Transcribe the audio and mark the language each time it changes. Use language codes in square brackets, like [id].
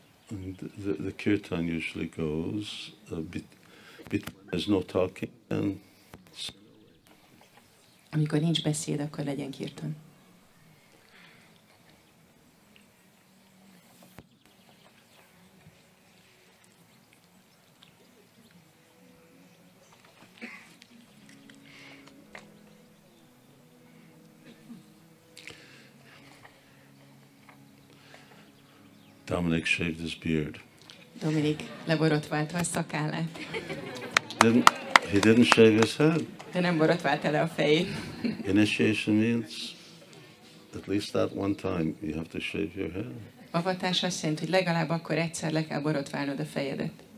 [en] And the kirtan usually goes a bit, there's no talking. And [hu] amikor nincs beszéd, akkor legyen kirtan. [en] Dominic shaved his beard. [hu] Dominic leborotválta a szakállát. [en] He didn't shave his head. [hu] De nem borotválta le a fejét. [en] Initiation means at least that one time you have to shave your head. [hu] Avatás azt jelenti, hogy legalább akkor egyszer le kell borotválnod a fejedet.